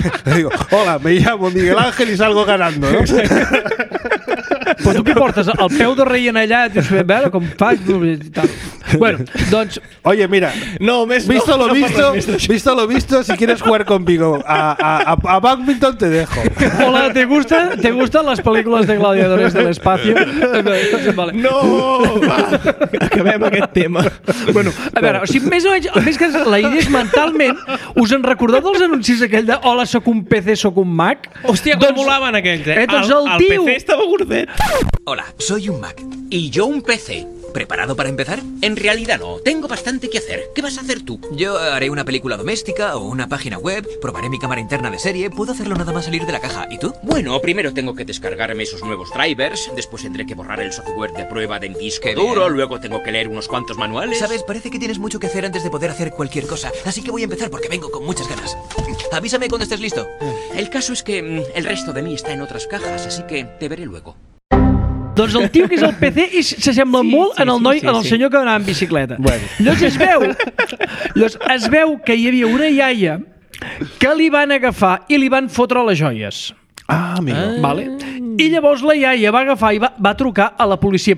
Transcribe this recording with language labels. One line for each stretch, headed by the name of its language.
Spanish: Digo, hola, me llamo Miguel Ángel y salgo ganando, ¿no?
Catalan: Però tu què portes? El peu de rei anellat? Dius, a veure com faig... Bueno, doncs...
Spanish: Oye, mira, no, més, visto, no, lo no visto, més, visto lo visto, si quieres jugar conmigo a badminton te dejo. Hola, ¿te gusta? ¿Te gustan las películas de gladiadores del espacio?
Catalan: Vale. No, va. Acabem aquest tema. Bueno, a veure, o sigui, més o menys, més que la idea és mentalment, us en recordeu dels anuncis aquell de hola, sóc un PC, sóc un Mac? Hòstia, doncs, com volaven aquells, eh? Doncs el tio... PC estava gordet.
Spanish: Hola, soy un Mac. Y yo un PC. ¿Preparado para empezar? En realidad no, tengo bastante que hacer. ¿Qué vas a hacer tú? Yo haré una película doméstica o una página web, probaré mi cámara interna de serie, puedo hacerlo nada más salir de la caja. ¿Y tú? Bueno, primero tengo que descargarme esos nuevos drivers, después tendré que borrar el software de prueba de disco duro, luego tengo que leer unos cuantos manuales... ¿Sabes? Parece que tienes mucho que hacer antes de poder hacer cualquier cosa, así que voy a empezar porque vengo con muchas ganas. Avísame cuando estés listo. El caso es que el resto de mí está en otras cajas, así que te veré luego.
Catalan: Doncs el tio que és el PC s'assembla molt en el noi, en el senyor que anava en bicicleta. Bueno. Llavors es veu que hi havia una iaia que li van agafar i li van fotre les joies.
Spanish: Ah, amigo.
Catalan: Vale? I llavors la iaia va agafar i va trucar a la policia.